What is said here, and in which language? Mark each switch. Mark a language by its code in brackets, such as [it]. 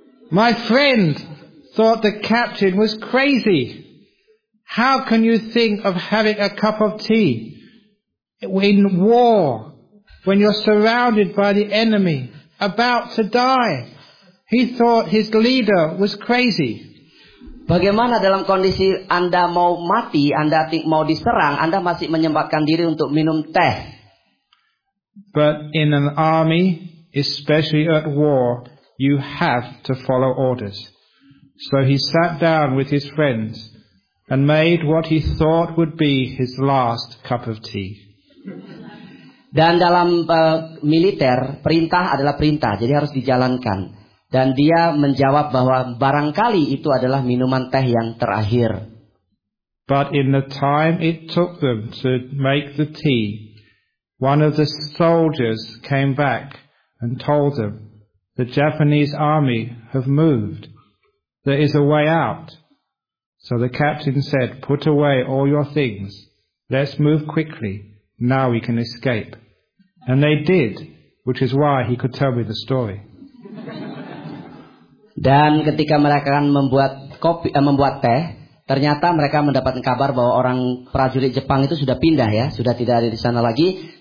[en] My friend thought the captain was crazy. How can you think of having a cup of tea in war? When you're surrounded by the enemy, about to die. He thought his leader was crazy. [id] Bagaimana dalam kondisi Anda mau mati, Anda mau diserang, Anda masih menyempatkan diri untuk minum teh? [en] But in an army, especially at war, you have to follow orders. So he sat down with his friends and made what he thought would be his last cup of tea. [id] Dan dalam militer, perintah adalah perintah, jadi harus dijalankan. Dan dia menjawab bahwa barangkali itu adalah minuman teh yang terakhir. [en] But in the time it took them to make the tea, one of the soldiers came back and told them, "The Japanese army have moved. There is a way out." So the captain said, "Put away all your things. Let's move quickly. Now we can escape." And they did, which is why he could tell me the story. [id] Dan ketika mereka akan membuat teh, ternyata mereka mendapatkan kabar bahwa orang prajurit Jepang itu sudah pindah, ya, sudah tidak ada di sana lagi.